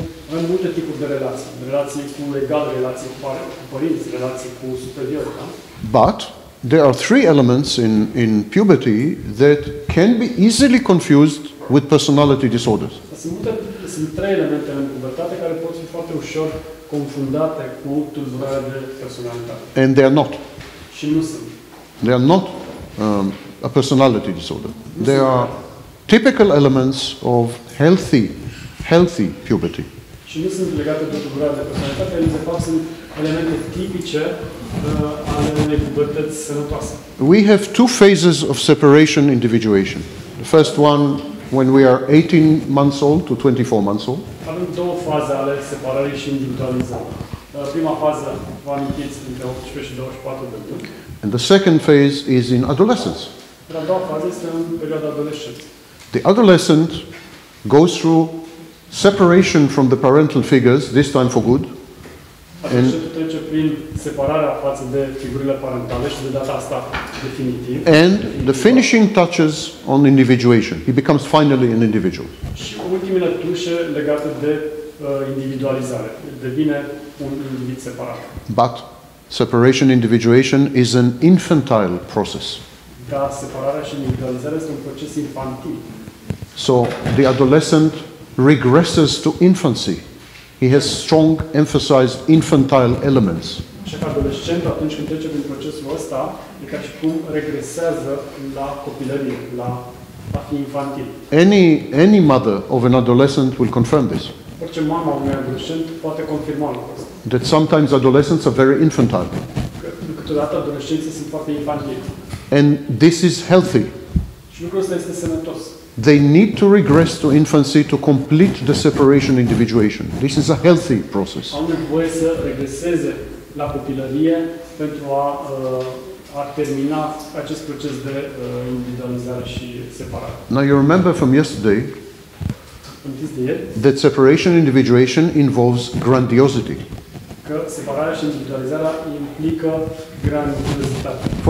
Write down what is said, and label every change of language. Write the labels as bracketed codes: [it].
[ro] Avem multe tipuri de relații, relații cu egal, relații cu părinți, relații cu superiori, da? [en] But there are three elements in puberty that can be easily confused with personality disorders. [ro] Sunt trei elemente în pubertate care pot fi foarte ușor confundate cu tulburarea de personalitate. [en] And they are not. [ro] Și nu sunt. [en] They are not a personality disorder. They are typical elements of healthy puberty. [ro] Și nu sunt legate de tulburarea de personalitate, ele de fapt sunt elemente tipice ale unei pubertăți sănătoase. [en] We have two phases of separation individuation. The first one when we are 18 months old to 24 months old. [ro] Avem două faze ale separării și individualizării. Prima fază, vă amintiți, între 18 și 24 de luni. [en] And the second phase is in adolescence. [ro] A doua fază este în perioada adolescenței. [en] The adolescent goes through separation from the parental figures, this time for good. [ro] And trece prin separarea față de figurile parentale și de data asta definitiv. [en] And the finishing touches on individuation. He becomes finally an individual. [ro] Și ultimele tușe legate de individualizare. Devine un individ separat. [en] But separation individuation is an infantile process. [ro] Da, separarea și individualizarea este un proces infantil. [en] So the adolescent regresses to infancy. He has strong, emphasized infantile elements. [ro] Și adolescent atunci când trece prin procesul ăsta, e ca și cum regresează la copilărie, la a fi infantil. [en] Any mother of an adolescent will confirm this. [ro] Orice mamă unui adolescent poate confirma lucrul ăsta. [en] That sometimes adolescents are very infantile. [ro] Câteodată adolescenții sunt foarte infantili. [en] And this is healthy. [ro] Și lucrul ăsta este sănătos. [en] They need to regress to infancy to complete the separation individuation. This is a healthy process. [ro] Au nevoie să regreseze la copilărie pentru a termina acest proces de individualizare și separare. [en] Now you remember from yesterday that separation individuation involves grandiosity. [ro] Că separarea și individualizarea implică grandiozitate.